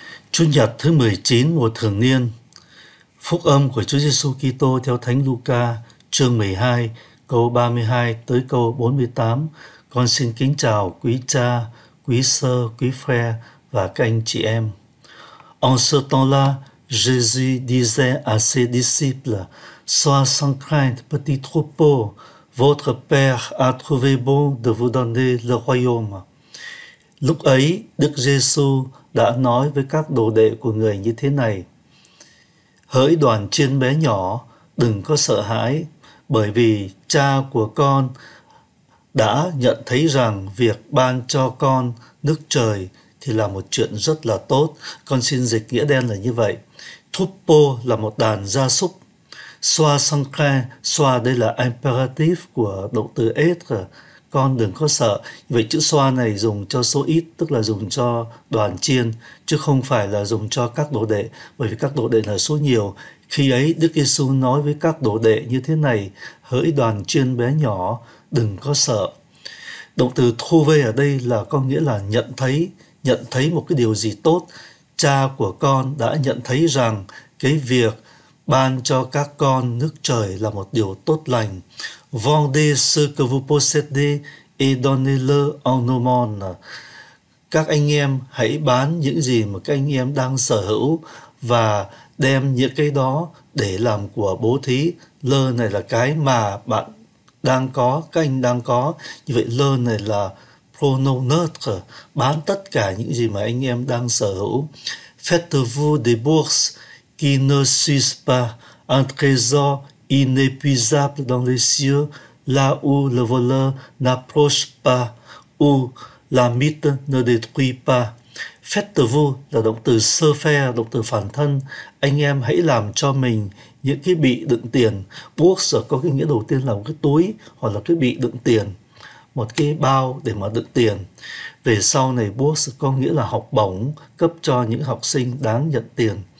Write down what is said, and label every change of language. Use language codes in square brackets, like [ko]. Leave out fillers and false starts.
[vi] Chủ nhật thứ 19 mùa thường niên. Phúc âm của Chúa Giêsu Kitô theo Thánh Luca chương 12 câu 32 tới câu 48. Con xin kính chào quý cha, quý sơ, quý phe và các anh chị em. [fr] En ce temps-là, Jésus disait à ses disciples: Sois sans crainte, petit troupeau. Votre Père a trouvé bon de vous donner le royaume. [vi] Lúc ấy, Đức Giêsu đã nói với các đồ đệ của người như thế này: Hỡi đoàn chiên bé nhỏ, đừng có sợ hãi, bởi vì cha của con đã nhận thấy rằng việc ban cho con nước trời thì là một chuyện rất là tốt. Con xin dịch nghĩa đen là như vậy. Troupeau là một đàn gia súc. [fr] Soi sans crainte, [vi] soi đây là imperative của động từ être. Con đừng có sợ. Vậy chữ xoa này dùng cho số ít, tức là dùng cho đoàn chiên, chứ không phải là dùng cho các đồ đệ, bởi vì các đồ đệ là số nhiều. Khi ấy Đức Giêsu nói với các đồ đệ như thế này: Hỡi đoàn chiên bé nhỏ, đừng có sợ. Động từ trouvé ở đây là có nghĩa là nhận thấy một cái điều gì tốt. Cha của con đã nhận thấy rằng cái việc ban cho các con nước trời là một điều tốt lành. [fr] Vendez ce que vous possédez et donnez-le en aumône. [vi] Các anh em hãy bán những gì mà các anh em đang sở hữu và đem những cái đó để làm của bố thí. Lơ này là cái mà bạn đang có, các anh đang có. Như vậy lơ này là pronom neutre, bán tất cả những gì mà anh em đang sở hữu. [fr] Faites-vous des bourses qui ne suis pas un trésor inépuisable dans les cieux, là où le voleur n'approche pas, où la mite ne détruit pas. [vi] Faites-vous là động từ se faire, động từ phản thân. Anh em hãy làm cho mình những cái bị đựng tiền. Bourse có cái nghĩa đầu tiên là một cái túi hoặc là cái bị đựng tiền, một cái bao để mà đựng tiền. Về sau này bourse có nghĩa là học bổng cấp cho những học sinh đáng nhận tiền.